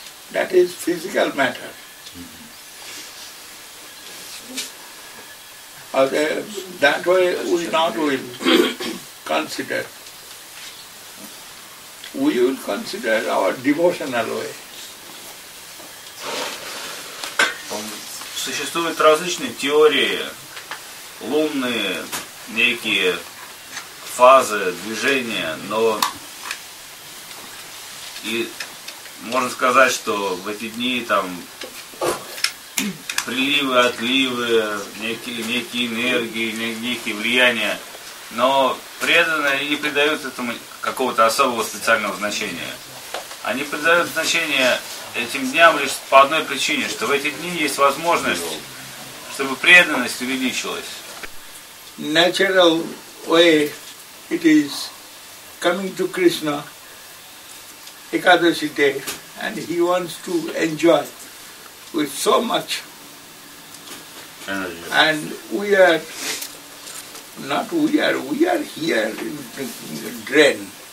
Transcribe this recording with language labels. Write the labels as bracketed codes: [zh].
[en] That is physical matter. That way we not will consider. We will consider our devotional way. [ru] Существуют различные теории, лунные некие фазы движения, но и можно сказать, что в эти дни там приливы, отливы, некие энергии, некие влияния, но преданные не придают этому какого-то особого специального значения. Они придают значение этим дням лишь по одной причине, что в эти дни есть возможность, чтобы преданность увеличилась. [en] Natural way it is coming to Krishna Ekadashi day, and he wants to enjoy with so much energy. And we are here in the drain.